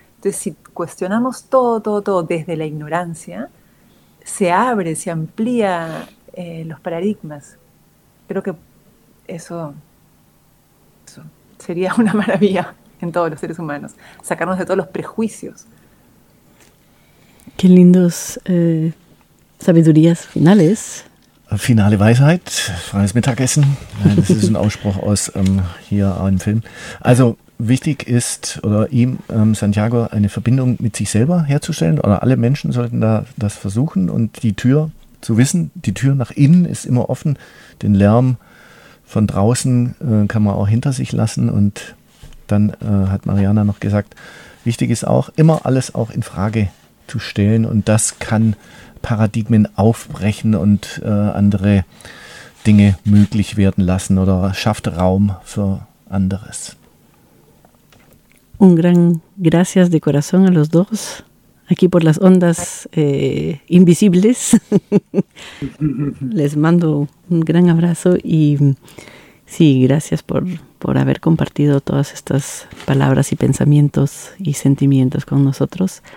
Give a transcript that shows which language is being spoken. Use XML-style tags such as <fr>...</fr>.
<es>Entonces, si cuestionamos todo, todo, todo desde la ignorancia, se abre, se amplía los paradigmas. Creo que eso sería una maravilla en todos los seres humanos, sacarnos de todos los prejuicios. Qué lindos sabidurías finales.</es> <de>Finale Weisheit, freies Mittagessen. Nein, das ist ein Ausspruch aus hier einem Film. Also wichtig ist, oder ihm, Santiago, eine Verbindung mit sich selber herzustellen. Oder alle Menschen sollten da das versuchen und die Tür zu wissen. Die Tür nach innen ist immer offen. Den Lärm von draußen kann man auch hinter sich lassen. Und dann hat Mariana noch gesagt, wichtig ist auch, immer alles auch in Frage zu stellen. Und das kann Paradigmen aufbrechen und andere Dinge möglich werden lassen oder schafft Raum für anderes.</de> <es>Un gran gracias de corazón a los dos, aquí por las ondas invisibles. Les mando un gran abrazo y sí, gracias por haber compartido todas estas palabras y pensamientos y sentimientos con nosotros.</es>